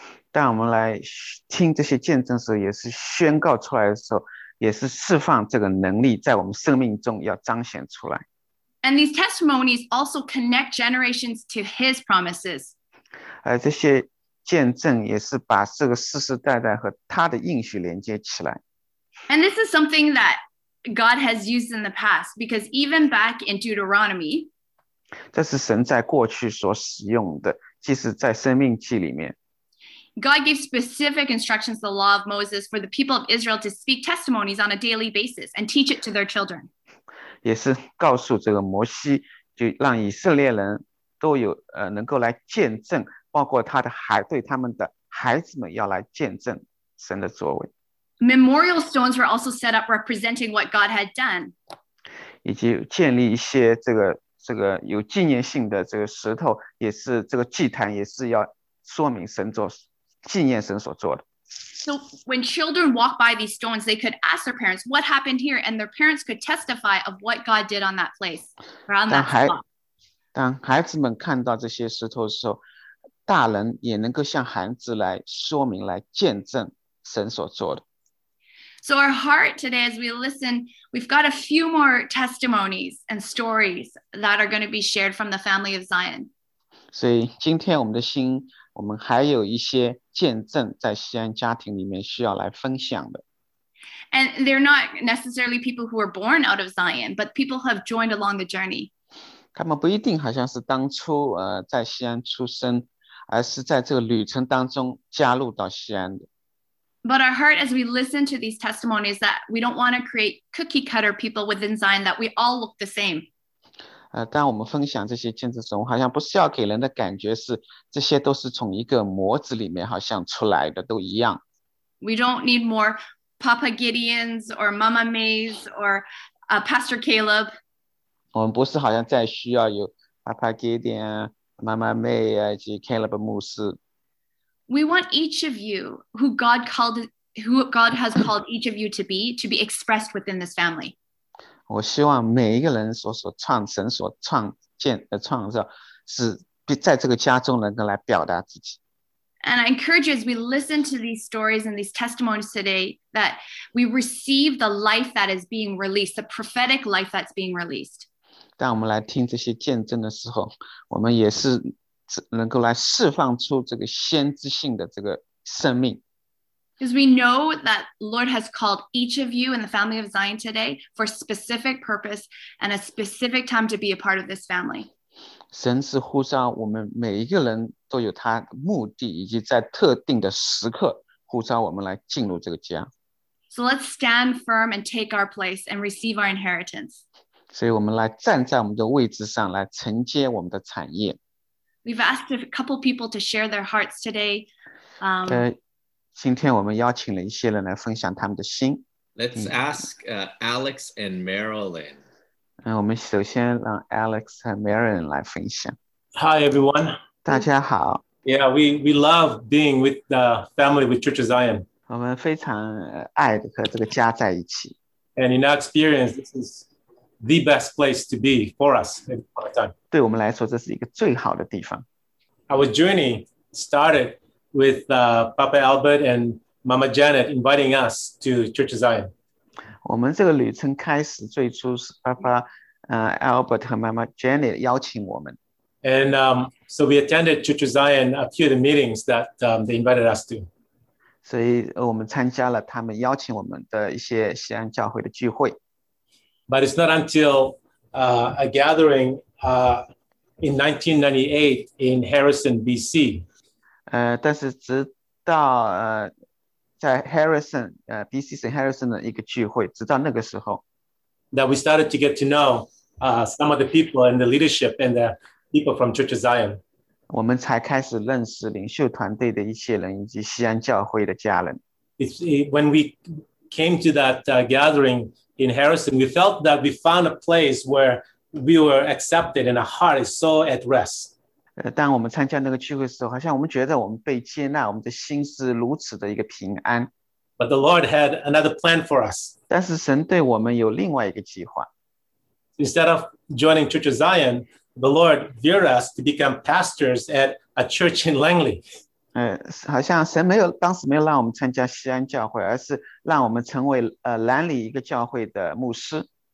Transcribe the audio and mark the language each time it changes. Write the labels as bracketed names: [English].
[Chinese] 当我们来听这些见证的时候，也是宣告出来的时候，也是释放这个能力在我们生命中要彰显出来。 [English] And these testimonies also connect generations to his promises. [Chinese] 这些见证也是把这个世世代代和他的应许连接起来。 [English] And this is something that God has used in the past, because even back in Deuteronomy, [Chinese] 这是神在过去所使用的，即使在生命记里面。 [English] God gave specific instructions, the law of Moses, for the people of Israel to speak testimonies on a daily basis and teach it to their children. [Chinese] 也是告诉这个摩西，就让以色列人都有能够来见证，包括他的孩对他们的孩子们要来见证神的作为。 [English] Memorial stones were also set up representing what God had done. [Chinese] 以及建立一些这个有纪念性的这个石头，也是这个祭坛，也是要说明神做纪念神所做的。 [English] So when children walk by these stones, they could ask their parents, "What happened here?" And their parents could testify of what God did on that place, around that spot. [Chinese] 当孩子们看到这些石头的时候，大人也能够向孩子来说明、来见证神所做的。 [English] So our heart today, as we listen, we've got a few more testimonies and stories that are going to be shared from the family of Zion. [Chinese] 所以今天我们的心，我们还有一些见证在西安家庭里面需要来分享的。 [English] And they're not necessarily people who were born out of Zion, but people who have joined along the journey. [Chinese] 他们不一定好像是当初在西安出生，而是在这个旅程当中加入到西安的。 [English] But our heart, as we listen to these testimonies, that we don't want to create cookie cutter people within Zion, that we all look the same. [Chinese] 当我们分享这些见证中，好像不是要给人的感觉是这些都是从一个模子里面好像出来的都一样。 [English] We don't need more Papa Gideons or Mama Mays or Pastor Caleb. [Chinese] 我们不是好像再需要有 Papa Gideon、Mama May 啊，以及 Caleb 牧师。 [English] We want each of you who God has called each of you to be expressed within this family. [Chinese] 我希望每一个人神所创建的创造是在这个家中能够来表达自己。 [English] And I encourage you as we listen to these stories and these testimonies today that we receive the life that is being released, the prophetic life that's being released. [Chinese] 当我们来听这些见证的时候，我们也是能够来释放出这个先知性的这个生命。 [English] Because we know that Lord has called each of you in the family of Zion today for specific purpose and a specific time to be a part of this family. [Chinese] 神是呼召我们每一个人都有他目的，以及在特定的时刻呼召我们来进入这个家。 [English] So let's stand firm and take our place and receive our inheritance. [Chinese] 所以我们来站在我们的位置上，来承接我们的产业。 [English] We've asked a couple people to share their hearts today. [Chinese] 今天我们邀请了一些人来分享他们的心。 [English] Let's ask Alex and Marilyn. [Chinese] 我们首先让 Alex 和 Marilyn 来分享。 [English] Hi, everyone. [Chinese] 大家好。 [English] Yeah, we love being with the family with Church of Zion. [Chinese] 我们非常爱和这个家在一起。 [English] And in our experience, this is the best place to be for us. [Chinese] 对我们来说，这是一个最好的地方。 [English] Our journey started with Papa Albert and Mama Janet inviting us to Church of Zion. [Chinese] 我们这个旅程开始，最初是Papa Albert 和 Mama Janet 邀请我们。 [English] And so we attended Church of Zion a few of the meetings that they invited us to. [Chinese] 所以我们参加了他们邀请我们的一些西安教会的聚会。 [English] But it's not until a gathering in 1998 in Harrison, B.C. [Chinese] 但是直到在 Harrison, B.C. 省 Harrison 的一个聚会，直到那个时候 [English] ，that we started to get to know some of the people and the leadership and the people from Church of Zion. [Chinese] 我们才开始认识领袖团队的一些人以及西安教会的家人。 [English] It's when we came to that gathering. In Harrison, we felt that we found a place where we were accepted and our heart is so at rest. [Chinese] 当我们参加那个聚会的时候，好像我们觉得我们被接纳，我们的心是如此的一个平安。 [English] But the Lord had another plan for us. [Chinese] 但是神对我们有另外一个计划。 [English] Instead of joining Church of Zion, the Lord veered us to become pastors at a church in Langley. [Chinese] 好像神没有让我们参加西安教会，而是让我们成为兰里一个教会的牧师。